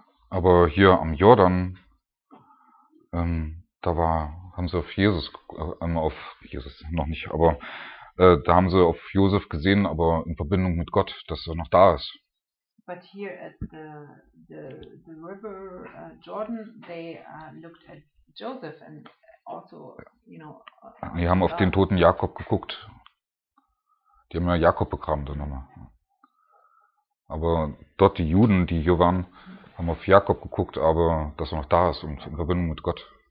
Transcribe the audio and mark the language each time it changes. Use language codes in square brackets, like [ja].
[de] Aber hier am Jordan, da war, haben sie auf Jesus, auf Jesus noch nicht, aber da haben sie auf Josef gesehen, aber in Verbindung mit Gott, dass er noch da ist. [en] But here at the river Jordan, they looked at Joseph and also, you know. [de] Die haben auf den toten Jakob geguckt. Die haben ja Jakob begraben, dann nochmal. Aber dort die Juden, die hier waren, haben auf Jakob geguckt, aber dass er noch da ist und in Verbindung mit Gott.